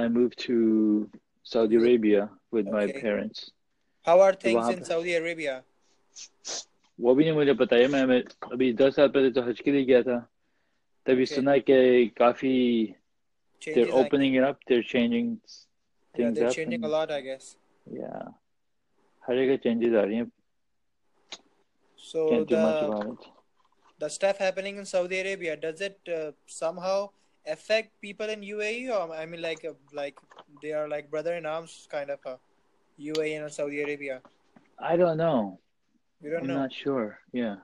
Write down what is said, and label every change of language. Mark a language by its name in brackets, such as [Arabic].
[English] I moved to Saudi Arabia with my parents. How are things in Saudi Arabia? [Hindi] वो भी नहीं मुझे पता है मैं अभी 10 साल पहले तो हज के लिए गया था तभी सुना कि काफी [English] they're opening it up they're changing things They're changing a lot, I guess. [Hindi] Yeah, हर जगह changes आ रही हैं. [English] So can't do much about it. The stuff happening in Saudi Arabia does it somehow? Affect people in UAE or I mean like they are like brother in arms kind of a UAE and Saudi Arabia I don't know you don't I'm know I'm not sure yeah